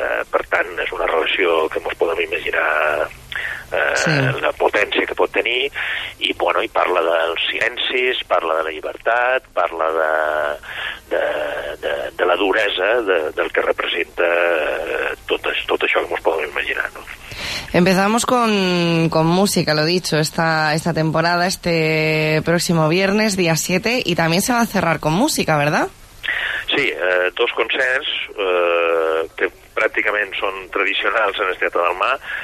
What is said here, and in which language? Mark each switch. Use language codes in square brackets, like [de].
[ca] Per tant, és una relació que ens podem imaginar, sí, la potència que pot tenir. I bueno, i parla dels silencis, parla de la llibertat, parla de la duresa del que representa tot això que ens podem imaginar, no? [es] Empezamos con música, lo dicho, esta temporada, este próximo viernes, día 7, y también se va a cerrar con música, ¿verdad? [ca] Sí, dos concerts que pràcticament són tradicionals en el Teatre del Mar.